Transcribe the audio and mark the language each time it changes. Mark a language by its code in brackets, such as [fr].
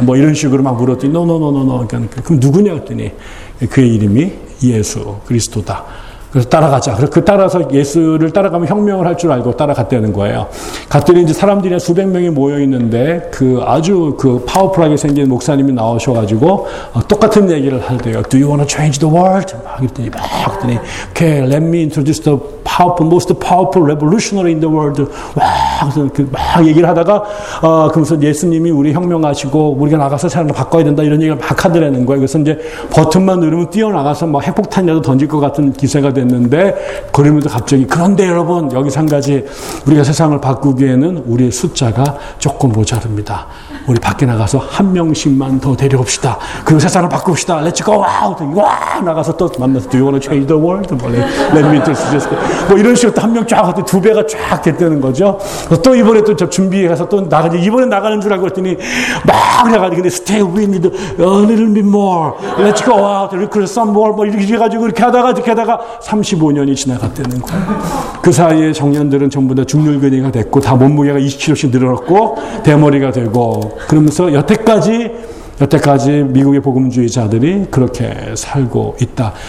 [ko] 뭐 이런 식으로 막 물었더니 노노노노노 그러니까 그럼 누구냐? 그랬더니 그의 이름이 예수 그리스도다. 그래서 따라가자. 그래서 그 따라서 예수를 따라가면 혁명을 할줄 알고 따라갔다는 거예요. 갔더니 이제 사람들이 수백 명이 모여 있는데 그 아주 그 파워풀하게 생긴 목사님이 나오셔가지고 똑같은 얘기를 하대요. [en] Do you want to change the world? [ko] 막 그랬더니 [en] Okay, let me introduce the most powerful revolutionary in the world. [ko] 막 얘기를 하다가 그러면서 예수님이 우리 혁명하시고 우리가 나가서 세상을 바꿔야 된다 이런 얘기를 막 하더라는 거예요. 그래서 이제 버튼만 누르면 뛰어나가서 막 핵폭탄이라도 던질 것 같은 기세가 됐는데 그러면서 갑자기 그런데 여러분 여기서 한 가지 우리가 세상을 바꾸기에는 우리의 숫자가 조금 모자릅니다. 우리 밖에 나가서 한 명씩만 더 데려옵시다. 그리고 세상을 바꿉시다. [en] Let's go out! 와! [ko] 나가서 또 만나서 [en] Do you want to change the world? Let me introduce you. [ko] 뭐 이런 식으로 또한명쫙 하더니 두 배가 쫙 됐다는 거죠. 또 이번에 또 준비해서 또 나가지. 이번에 나가는 줄 알고 그랬더니 막 나가지. 근데 [en] Stay, we need a little bit more. Let's go out, recruit some more. [ko] 뭐 이렇게 해가지고 이렇게 하다가 이렇게 하다가 35년이 지나갔다는 거예요. 그 사이에 청년들은 전부 다 중년근이가 됐고 다 몸무게가 20kg씩 늘었고 대머리가 되고 그러면서 여태까지 미국의 복음주의자들이 그렇게 살고 있다.